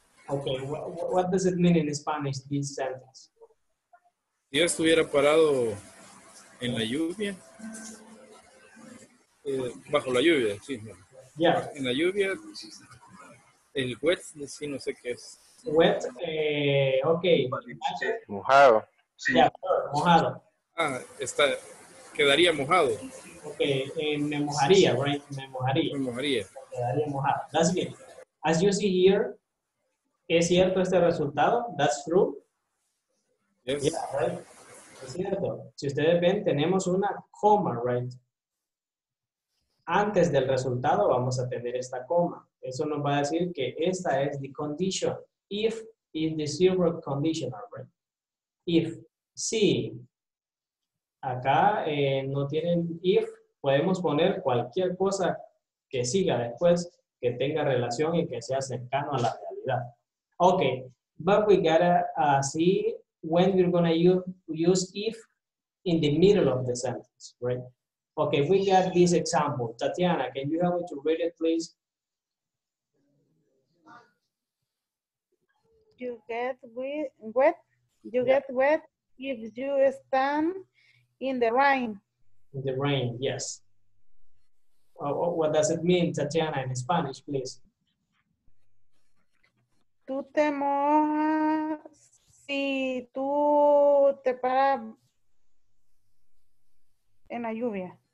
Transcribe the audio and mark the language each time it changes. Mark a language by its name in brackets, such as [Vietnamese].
[English] Okay, what does it mean in Spanish, this sentence? [Spanish] Si yo estuviera parado en la lluvia, bajo la lluvia, sí, [English] yeah. [Spanish] En la lluvia, el wet, sí, no sé qué es. [English] Wet, okay. [Spanish] Mojado. [English] Sí. Yeah, sure, mojado. [Spanish] Ah, está, quedaría mojado. Okay, me mojaría, sí, sí. Right? Me mojaría. Me mojaría. Quedaría mojado. [English] That's good. As you see here, [Spanish] ¿es cierto este resultado? [English] That's true. Yes. [Spanish] Yeah, right? Es cierto. Si ustedes ven, tenemos una coma, right? Antes del resultado vamos a tener esta coma. Eso nos va a decir que esta es [English] the condition. If in the zero conditional, right? [Spanish] If, si, acá no tienen if, podemos poner cualquier cosa que siga después, que tenga relación y que sea cercano a la realidad. [English] Okay, but we gotta see when we're gonna use if in the middle of the sentence, right? Okay, we got this example. Tatiana, can you help me to read it, please? You get wet if you stand in the rain. In the rain, yes. What does it mean, Tatiana, in Spanish, please? [Spanish] Tú te mojas si tú te paras en la lluvia.